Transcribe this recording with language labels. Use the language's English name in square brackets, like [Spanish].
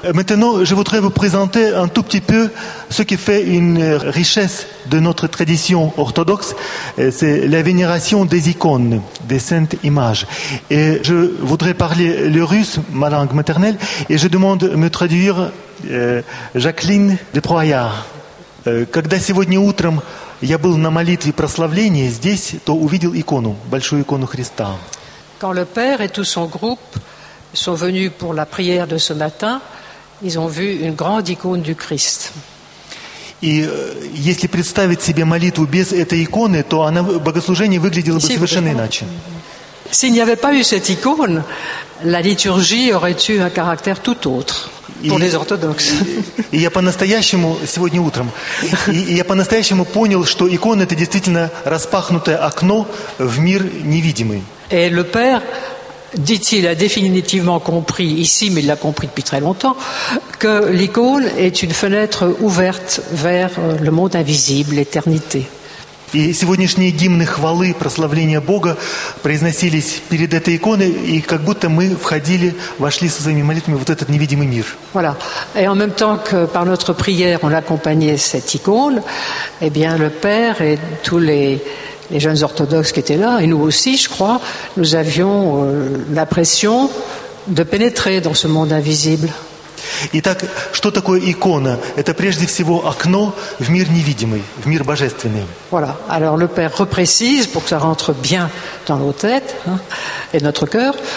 [French] Maintenant, je voudrais vous présenter un tout petit peu ce qui fait une richesse de notre tradition orthodoxe. C'est la vénération des icônes, des saintes images. Et je voudrais parler le russe, ma langue maternelle, et je demande de me traduire Jacqueline de Proyard. [Russian] Когда сегодня утром я был на молитве прославления здесь, то увидел икону, большую икону Христа. [French] Quand le père et tout son groupe sont venus pour la prière de ce matin, ils ont vu une grande icône du Christ. [Russian] Et если представить себе молитву без этой иконы, то она богослужение выглядело бы совершенно иначе. [French] S'il n'y avait pas eu cette icône, la liturgie aurait eu un caractère tout autre pour les orthodoxes. [Russian] Я по-настоящему сегодня утром я по-настоящему понял, что икона это действительно распахнутое окно в мир невидимый. [French] Et le Père, dit-il, a définitivement compris ici, mais il l'a compris depuis très longtemps, que l'icône est une fenêtre ouverte vers le monde invisible, l'éternité. [Russian] И сегодняшние гимны хвалы, прославления Бога произносились перед этой иконой, и как будто мы входили, вошли со своими молитвами вот этот невидимый мир. [French] Voilà. Et en même temps que par notre prière, on accompagnait cette icône, eh bien le Père et tous les jeunes orthodoxes qui étaient là, et nous aussi, je crois, nous avions l'impression de pénétrer dans ce monde invisible. [Russian] Итак, что такое икона? Это прежде всего окно в мир невидимый, в мир божественный. [French] Voilà. Alors le Père reprécise pour que ça rentre bien dans nos têtes et notre cœur.